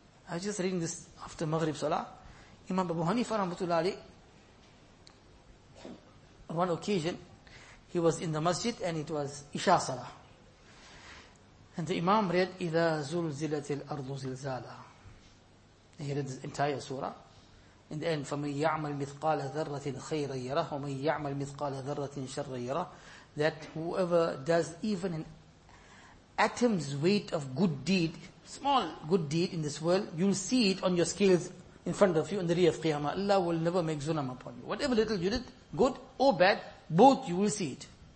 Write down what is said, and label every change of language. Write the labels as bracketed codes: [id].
[en] I was just reading this after Maghrib Salah. Imam Abu Hanifa rahmatullahi alayh, on one occasion, he was in the masjid and it was Isha Salah. And the Imam read, [ar] إِذَا زُلْزِلَتِ الْأَرْضُ زِلْزَالًا. [en] He read this entire surah. [ar] In the end, فَمَنْ يَعْمَلْ مِثْقَالَ ذَرَّةٍ خَيْرًا يَرَهُ وَمَنْ يَعْمَلْ مِثْقَالَ ذَرَّةٍ شَرًّا يَرَهُ. [en] That whoever does even an atom's weight of good deed, small good deed in this world, you'll see it on your scales in front of you on the day of Qiyamah. Allah will never make zulam upon you. Whatever little you did, good or bad, both you will see it.